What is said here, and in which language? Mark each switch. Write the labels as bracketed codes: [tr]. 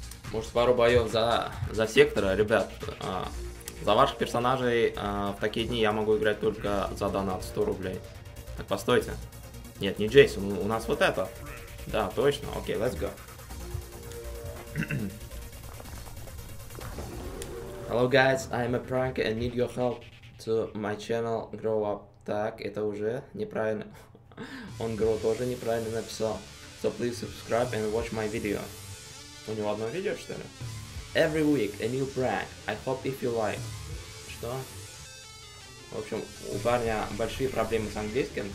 [ru] Может, пару боев за сектора, ребят. За ваших персонажей в такие дни я могу играть только за донат 100 рублей. Так, постойте. Нет, не Джейсон, у нас вот это. Да, точно. [en] Окей, let's go. Hello guys, I'm a prank and need your help to my channel grow up. [ru] Так, это уже неправильно. Он grow тоже неправильно написал. [en] So please subscribe and watch my video. [ru] У него одно видео, что ли? [en] Every week a new prank. I hope if you like. [ru] Что? В общем, у парня большие проблемы с английским.